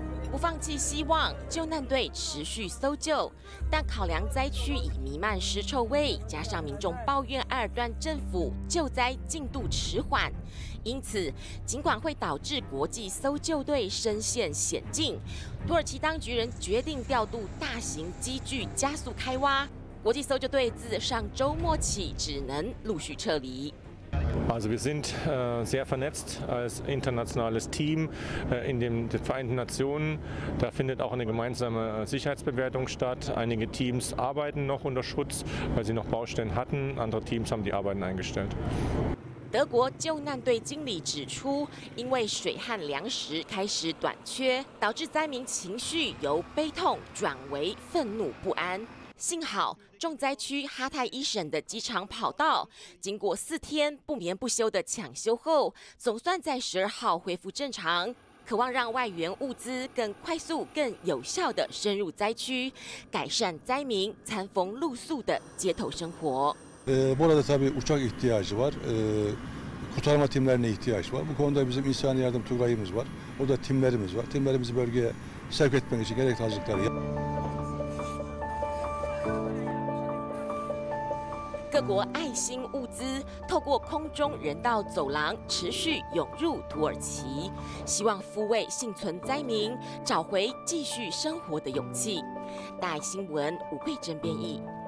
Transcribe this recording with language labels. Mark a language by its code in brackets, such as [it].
[zh] 不放弃希望，救难队持续搜救，但考量灾区已弥漫尸臭味，加上民众抱怨埃尔段政府救灾进度迟缓，因此尽管会导致国际搜救队深陷险境，土耳其当局仍决定调度大型机具加速开挖。国际搜救队自上周末起只能陆续撤离。 [de] Also wir sind sehr vernetzt als internationales Team in den Vereinten Nationen. Da findet auch eine gemeinsame Sicherheitsbewertung statt. Einige Teams arbeiten noch unter Schutz, weil sie noch Baustellen hatten. Andere Teams haben die Arbeiten eingestellt. [zh] 德国救难队经理指出，因为水和粮食开始短缺，导致灾民情绪由悲痛转为愤怒不安。幸好重灾区哈泰伊省的机场跑道，经过4天不眠不休的抢修后，总算在12号恢复正常。渴望让外援物资更快速、更有效地深入灾区，改善灾民餐风露宿的街头生活。 [tr] Burada tabii uçak ihtiyacı var, kurtarma timlerine ihtiyaç var. Bu konuda bizim insani yardım tugayımız var, burada timlerimiz var. Timlerimizi bölgeye sevk etmek için gerekli hazırlıkları yap. [zh] 各国爱心物资透过空中人道走廊持续涌入土耳其，希望抚慰幸存灾民，找回继续生活的勇气。大爱新闻吴慧珍编译。